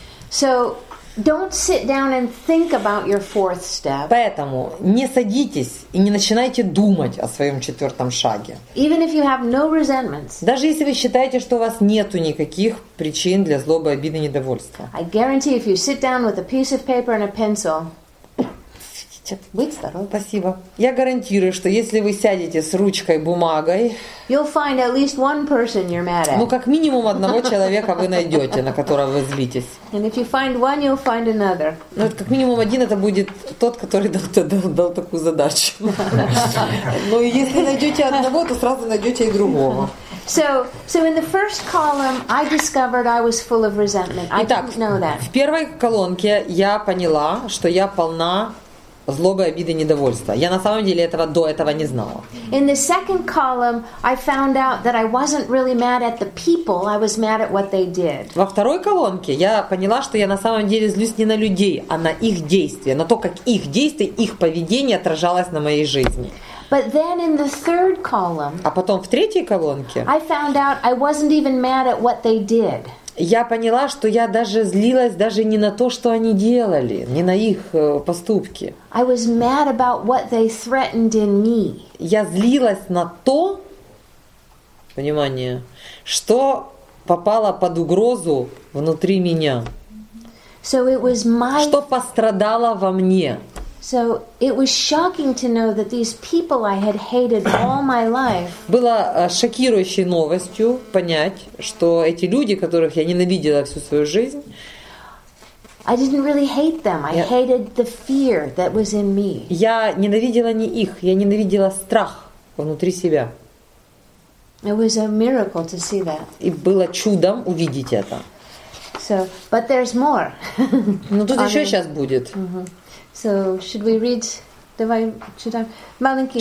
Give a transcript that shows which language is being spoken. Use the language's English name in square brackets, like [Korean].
[English] So don't sit down and think about your fourth step. [Russian] Поэтому не садитесь и не начинайте думать о своем четвертом шаге. [English] Even if you have no resentments. [Russian] Даже если вы считаете, что у вас нету никаких причин для злобы, обиды, недовольства. [English] I guarantee if you sit down with a piece of paper and a pencil. [Russian] Будь здоров. Спасибо. Я гарантирую, что если вы сядете с ручкой, бумагой, [English] you'll find at least one person you're mad at. [Russian] Ну, как минимум одного человека вы найдете, на которого вы злитесь. [English] And if you find one, you'll find another. [Russian] Ну, как минимум один, это будет тот, который дал такую задачу. Но если найдете одного, то сразу найдете и другого. [English] So in the first column, I discovered I was full of resentment. I [Russian] Итак, [English] didn't know that. [Russian] В первой колонке я поняла, что я полна злобы, обиды, недовольства. Я на самом деле этого до этого не знала. [English] In the second column, I found out that I wasn't really mad at the people, I was mad at what they did. [Russian] Во второй колонке я поняла, что я на самом деле злюсь не на людей, а на их действия, на то, как их действия, их поведение отражалось на моей жизни. [English] But then in the third column, [Russian] а потом в третьей колонке, [English] I found out I wasn't even mad at what they did. [Russian] Я поняла, что я даже злилась даже не на то, что они делали, не на их поступки. [English] I was mad about what they threatened in me. [Russian] Я злилась на то, внимание, что попало под угрозу внутри меня. [English] So it was my... [Russian] Что пострадало во мне. [English] So it was shocking to know that these people I had hated all my life. [Russian] Было шокирующей новостью понять, что эти люди, которых я ненавидела всю свою жизнь, [English] I didn't really hate them. I hated the fear that was in me. [Russian] Я ненавидела не их, я ненавидела страх внутри себя. [English] It was a miracle to see that. [Russian] И было чудом увидеть это. [English] So, but there's more. [Russian] Но тут еще сейчас будет. [English] So should we read? [Russian] Давай читаем. Маленький.